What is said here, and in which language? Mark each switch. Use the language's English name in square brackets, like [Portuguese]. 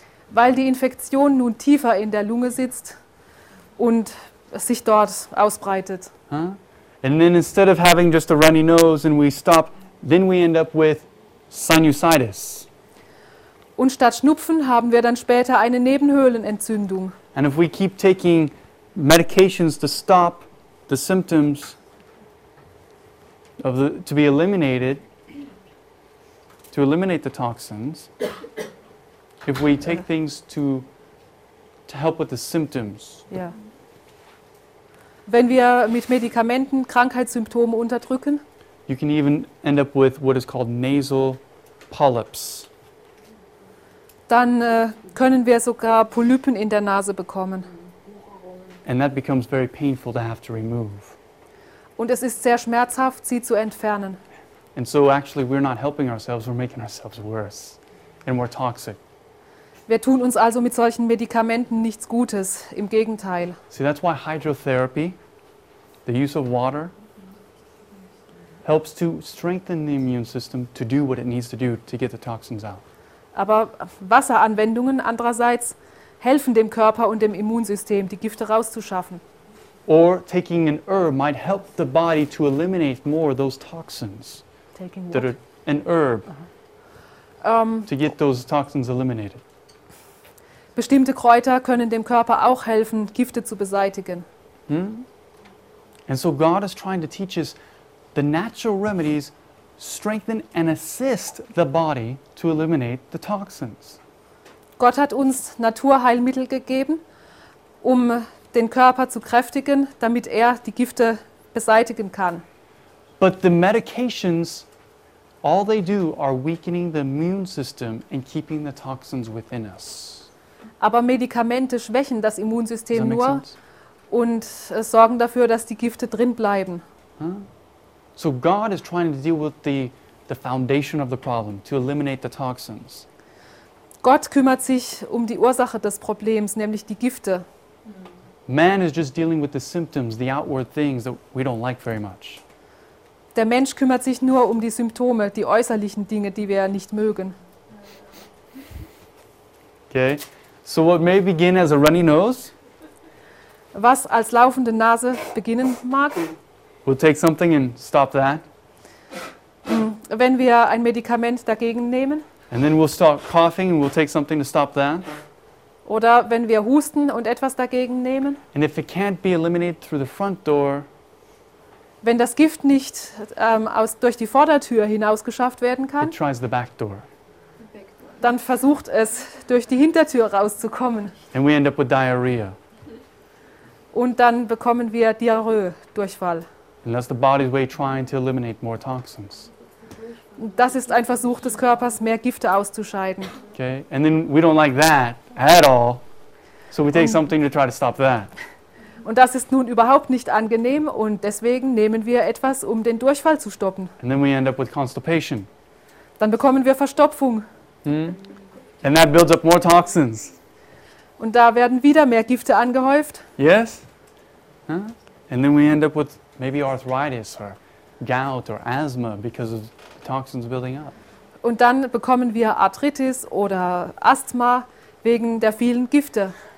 [German] Weil die Infektion nun tiefer in der Lunge sitzt und sich dort ausbreitet. [English] And then instead of having just a runny nose and we stop, then we end up with sinusitis. [German] Und statt Schnupfen haben wir dann später eine Nebenhöhlenentzündung. [English] And if we keep taking medications to stop the symptoms of the, to be eliminated, to eliminate the toxins, if we take things to help with the symptoms. Yeah. [German] Wenn wir mit Medikamenten Krankheitssymptome unterdrücken, [English] you can even end up with what is called nasal polyps. [German] Dann können wir sogar Polypen in der Nase bekommen. [English] And that becomes very painful to have to remove. [German] Und es ist sehr schmerzhaft, sie zu entfernen. [English] And so actually we're not helping ourselves, we're making ourselves worse and more toxic. [German] Wir tun uns also mit solchen Medikamenten nichts Gutes, im Gegenteil. [English] See, that's why hydrotherapy, the use of water, helps to strengthen the immune system to do what it needs to do to get the toxins out. [German] Aber Wasseranwendungen andererseits helfen dem Körper und dem Immunsystem, die Gifte rauszuschaffen. [English] Or taking an herb might help the body to eliminate more of those toxins. Taking what? An herb. Uh-huh. To get those toxins eliminated. [German] Bestimmte Kräuter können dem Körper auch helfen, Gifte zu beseitigen. Hmm? [English] And so God is trying to teach us the natural remedies strengthen and assist the body to eliminate the toxins. [German] Gott hat uns Naturheilmittel gegeben, um den Körper zu kräftigen, damit er die Gifte beseitigen kann. [English] But the medications, all they do are weakening the immune system and keeping the toxins within us. [German] Aber Medikamente schwächen das Immunsystem nur und sorgen dafür, dass die Gifte drin bleiben. [English] So God is trying to deal with the foundation of the problem, to eliminate the toxins. [German] Gott kümmert sich um die Ursache des Problems, nämlich die Gifte. [English] Man is just dealing with the symptoms, the outward things that we don't like very much. [German] Der Mensch kümmert sich nur um die Symptome, die äußerlichen Dinge, die wir nicht mögen. [English] Okay. So what may begin as a runny nose? [German] Was als laufende Nase beginnen mag? [English] We'll take something and stop that. [German] Wenn wir ein Medikament dagegen nehmen? [English] And then we'll start coughing and we'll take something to stop that. [German] Oder wenn wir husten und etwas dagegen nehmen? [English] And if it can't be eliminated through the front door? [German] Wenn das Gift nicht durch die Vordertür hinausgeschafft werden kann? [English] It tries the back door. [German] Dann versucht es, durch die Hintertür rauszukommen. [English] And we end up with diarrhea. [German] Und dann bekommen wir Diarrhoe, Durchfall. [English] And that's the body's way trying to eliminate more toxins. [German] Das ist ein Versuch des Körpers, mehr Gifte auszuscheiden. [English] Okay, and then we don't like that at all. So we take something to try to stop that. [German] Und das ist nun überhaupt nicht angenehm und deswegen nehmen wir etwas, um den Durchfall zu stoppen. [English] And then we end up with constipation. [German] Dann bekommen wir Verstopfung. [English] And that builds up more toxins. [German] Und da werden wieder mehr Gifte angehäuft. [English] Yes. And then we end up with maybe arthritis or gout or asthma because of toxins building up. [German] Und dann bekommen wir Arthritis oder Asthma wegen der vielen Gifte.